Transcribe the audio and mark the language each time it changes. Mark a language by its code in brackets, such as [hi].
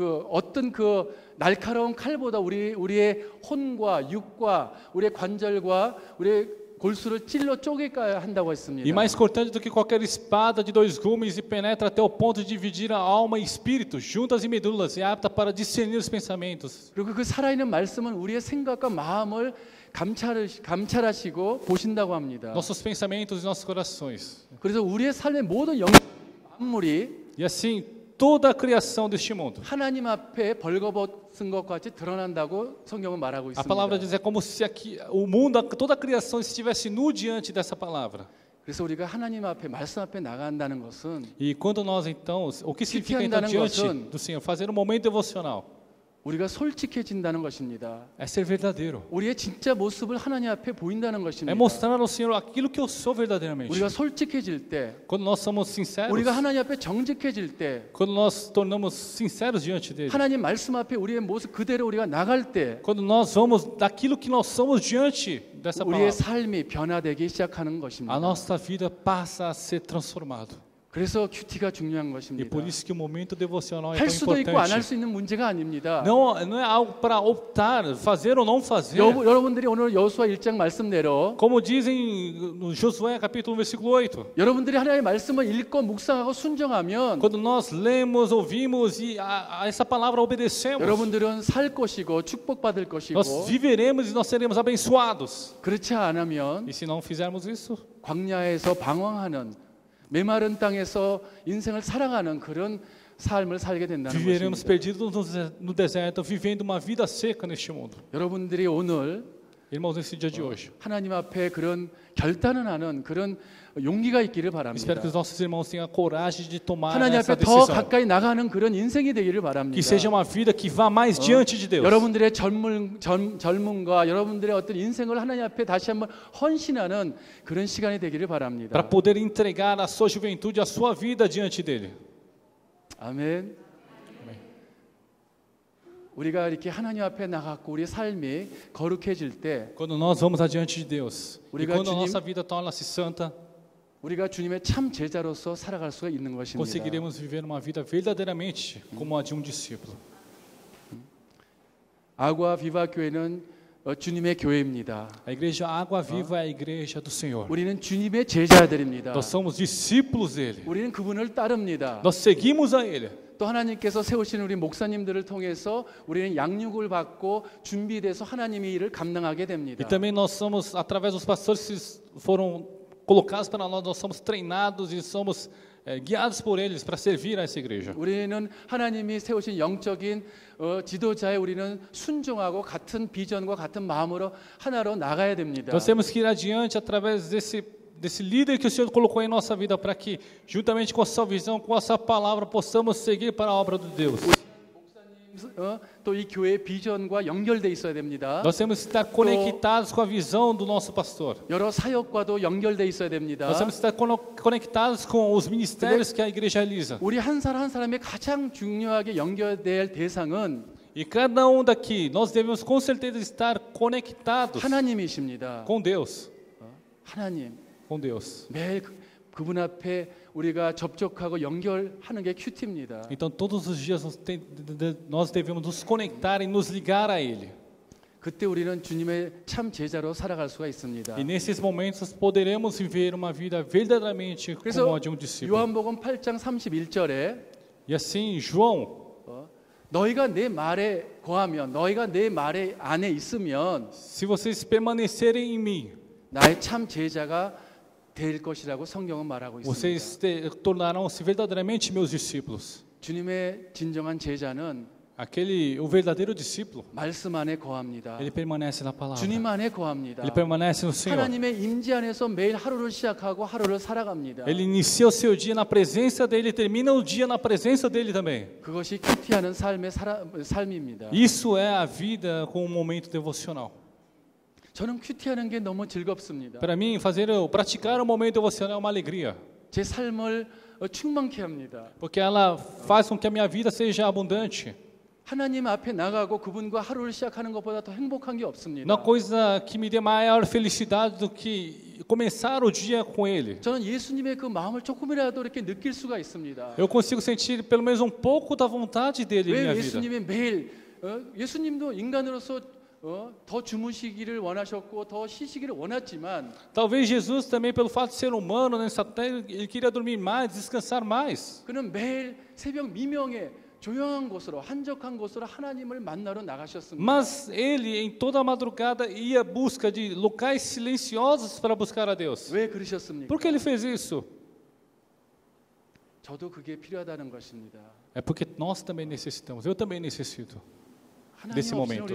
[ko] 어떤 그 날카로운 칼보다 우리의 혼과 육과 우리의 관절과 우리의 골수를 찔러 쪼개까야 한다고 했습니다. [pt] E mais cortante do que qualquer espada de dois gumes e penetra até o ponto de dividir a alma e espírito, juntas e medulas, e apta para discernir os pensamentos. [ko] 그리고 그 살아있는 말씀은 우리의 생각과 마음을 감찰하시고 보신다고 합니다. [pt] Nossos pensamentos e nossos corações. [ko] 그래서 우리의 삶의 모든 만물이 [pt] E assim, toda a criação deste mundo. [ko] 하나님 앞에 벌거벗 쓴 것 같이 드러난다고 성경은 말하고 있습니다. [pt] A palavra diz é como se aqui o mundo, toda a criação estivesse nu diante dessa palavra. [ko] 그래서 우리가 하나님 앞에 말씀 앞에 나간다는 것은 [pt] E quando nós então, o que significa então, diante do Senhor fazer um momento devocional? [ko] 우리가 솔직해진다는 것입니다. [pt] É ser verdadeiro. [ko] 우리의 진짜 모습을 하나님 앞에 보인다는 것입니다. [pt] É mostrar ao Senhor aquilo que eu sou verdadeiramente. [ko] 우리가 솔직해질 때 [pt] Quando nós somos sinceros. [ko] 우리가 하나님 앞에 정직해질 때 [pt] Quando nós tornamos sinceros diante dele. [ko] 하나님 말씀 앞에 우리의 모습 그대로 우리가 나갈 때 [pt] Quando nós vamos daquilo que nós somos diante dessa palavra. [ko] 우리의 삶이 변화되기 시작하는 것입니다. [pt] A nossa vida passa a ser transformado. [ko] 그래서 큐티가 중요한 것입니다. [pt] E por isso que o momento devocional é tão importante. [ko] 할 수도 있고 안 할 수 있는 문제가 아닙니다. [pt] Não é algo para optar fazer ou não fazer. [ko] 여러분들이 오늘 여호수아 1장 말씀대로 [pt] Como dizem no Josué capítulo 1 versículo 8. [ko] 여러분들이 하나님의 말씀을 읽고 묵상하고 순종하면 [pt] Quando nós lemos, ouvimos e a essa palavra obedecemos. [ko] 여러분들은 살 것이고 축복받을 것이고 [pt] Nós viveremos e nós seremos abençoados. [ko] 그렇지 않으면 [pt] E se não fizermos isso? [ko] 광야에서 방황하는 메마른 땅에서 인생을 살아가는 그런 삶을 살게 된다는 것입니다. [pt] Viveremos perdidos no deserto, vivendo uma vida seca neste mundo. [ko] 여러분들이 오늘 [pt] Irmãos, nesse dia de hoje. [ko] 하나님 앞에 그런 결단을 하는 그런 용기가 있기를 바랍니다. [pt] Espero que os nossos irmãos tenham coragem de tomar essa decisão. [ko] 하나님 앞에 더 가까이 나가는 그런 인생이 되기를 바랍니다. [pt] Que seja uma vida que vá mais diante de Deus. [ko] 여러분들의 젊음과 여러분들의 어떤 인생을 하나님 앞에 다시 한번 헌신하는 그런 시간이 되기를 바랍니다. [pt] Para poder entregar a sua juventude, a sua vida diante dele. [ko] 아멘. 우리가 이렇게 하나님 앞에 나가고 우리 삶이 거룩해질 때 [pt] Quando nós vamos adiante de Deus. Quando nossa vida torna-se santa. [ko] 우리가 주님의 참 제자로서 살아갈 수가 있는 것입니다. [pt] Conseguiremos viver uma vida verdadeiramente como a de um discípulo. [ko] 아구아 비바 교회는 주님의 교회입니다. [pt] A igreja Água Viva é a igreja do Senhor. [ko] 우리는 주님의 제자들입니다. [pt] Nós somos discípulos dele. [ko] 우리는 그분을 따릅니다. [pt] Nós seguimos a ele. [ko] 또 하나님께서 세우신 우리 목사님들을 통해서 우리는 양육을 받고 준비돼서 하나님의 일을 감당하게 됩니다. [pt] E também nós somos através dos pastores que foram colocados para nós, nós somos treinados e somos guiados por eles para servir a essa igreja. [ko] 우리는 하나님이 세우신 영적인 지도자의 우리는 순종하고 같은 비전과 같은 마음으로 하나로 나가야 됩니다. [pt] Nós temos que ir adiante através desse líder que o Senhor colocou em nossa vida para que juntamente com a sua visão, com a sua palavra possamos seguir para a obra de Deus. [ko] 또 이 교회의 비전과 연결돼 있어야 됩니다. [pt] Nós temos que estar conectados com a visão do nosso pastor. [ko] 여러 사역과도 연결돼 있어야 됩니다. [pt] Nós temos que estar conectados com os ministérios que a igreja realiza. [ko] 우리 한 사람 한 사람의 가장 중요하게 연결될 대상은 [pt] E cada um daqui nós devemos com certeza estar conectados. [ko] 하나님이십니다. [pt] Com Deus. [ko] 하나님 [pt] Com Deus. [ko] 매일 그분 앞에 우리가 접촉하고 연결하는 게 큐티입니다. [pt] Então todos os dias nós devemos nos conectar e nos ligar a ele. [ko] 그때 우리는 주님의 참 제자로 살아갈 수가 있습니다. [pt] E nesses momentos poderemos viver uma vida verdadeiramente como a de um discípulo. [ko] 요한복음 8장 31절에 [pt] E assim, João, [ko] 너희가 내 말에 거하면 너희가 내 말에 안에 있으면 [pt] Se vocês permanecerem em mim, [ko] 나의 참 제자가 될 것이라고 성경은 말하고 있습니다. [pt] Vocês tornarão-se verdadeiramente meus discípulos. [ko] 주님의 진정한 제자는 [pt] Aquele, o verdadeiro discípulo, [ko] 말씀 안에 거합니다. [pt] Ele permanece na palavra. [ko] 주님 안에 거합니다. [pt] Ele permanece no Senhor. [ko] 하나님의 임재 안에서 매일 하루를 시작하고 하루를 살아갑니다. [pt] Ele inicia o seu dia na presença dele, termina o dia na presença dele também. [ko] 그것이 큐티하는 삶의 삶입니다. [pt] Isso é a vida com um momento devocional. [ko] 저는 큐티하는 게 너무 즐겁습니다. [pt] Para mim, fazer, praticar um momento devocional é uma alegria. [ko] 제 삶을 충만케 합니다. [pt] Porque ela faz com que a minha vida seja abundante. [ko] 하나님 앞에 나가고 그분과 하루를 시작하는 것보다 더 행복한 게 없습니다. [pt] Não coisa que me dê maior felicidade do que começar o dia com ele. [ko] 저는 예수님의 그 마음을 조금이라도 이렇게 느낄 수가 있습니다. [pt] Eu consigo sentir pelo menos um pouco da vontade dele em minha vida. [ko] 예수님이 매일 예수님도 인간으로서 더 주무시기를 원하셨고 더 쉬시기를 원했지만 [pt] Talvez Jesus também pelo fato de ser humano nessa terra ele queria dormir mais, descansar mais. [ko] 그는 매일 새벽 미명에 조용한 곳으로 한적한 곳으로 하나님을 만나러 나가셨습니다. [pt] Mas ele em toda a madrugada ia busca de locais silenciosos para buscar a Deus. [ko] 왜 그러셨습니까? [pt] Por que ele fez isso? [ko] 저도 그게 필요하다는 것입니다. [pt] É porque nós também necessitamos. Eu também necessito desse momento.